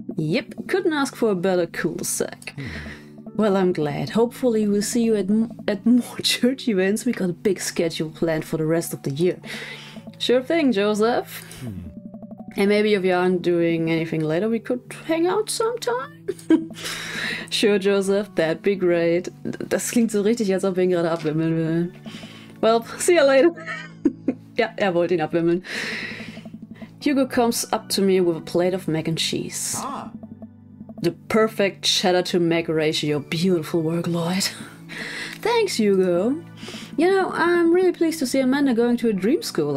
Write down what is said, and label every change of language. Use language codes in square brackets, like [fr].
[en] Yep, couldn't ask for a better cul-de-sac. Well, I'm glad. Hopefully we'll see you at more church events. We got a big schedule planned for the rest of the year. Sure thing, Joseph. And maybe if you aren't doing anything later, we could hang out sometime? Sure, Joseph, that'd be great. [de] Das klingt so richtig, als ob wir ihn gerade abwimmeln will. [en] Well, see you later. [de] Ja, wollte ihn abwimmeln. [en] Hugo comes up to me with a plate of mac and cheese. The perfect cheddar to mac ratio, beautiful work, Lloyd. Thanks, Hugo. You know, I'm really pleased to see Amanda going to a dream school.